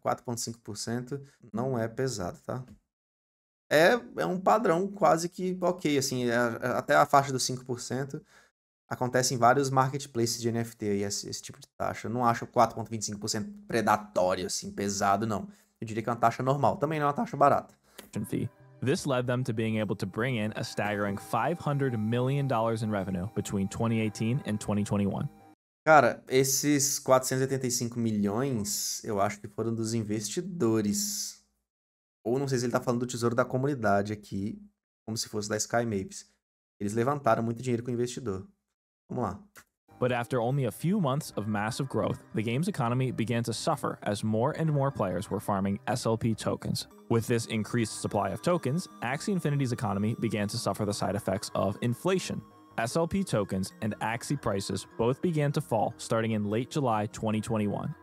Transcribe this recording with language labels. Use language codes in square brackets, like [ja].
[pt] 4.5% não é pesado, tá? É um padrão quase que ok, assim, até a faixa dos 5% acontece em vários marketplaces de NFT aí, esse tipo de taxa. Eu não acho 4.25% predatório, assim, pesado, não. Eu diria que é uma taxa normal, também não é uma taxa barata. [en] This led them to being able to bring in a staggering $500 million in revenue between 2018 and 2021. [pt] Cara, esses 485 milhões, eu acho que foram dos investidores... Ou não sei se ele tá falando do tesouro da comunidade aqui, como se fosse da Sky Mavis. Eles levantaram muito dinheiro com o investidor. Vamos lá. [en] But after only a few months of massive growth, the game's economy began to suffer as more and more players were farming SLP tokens. With this increased supply of tokens, Axie Infinity's economy began to suffer the side effects of inflation. SLP tokens and Axie prices both began to fall starting in late July 2021.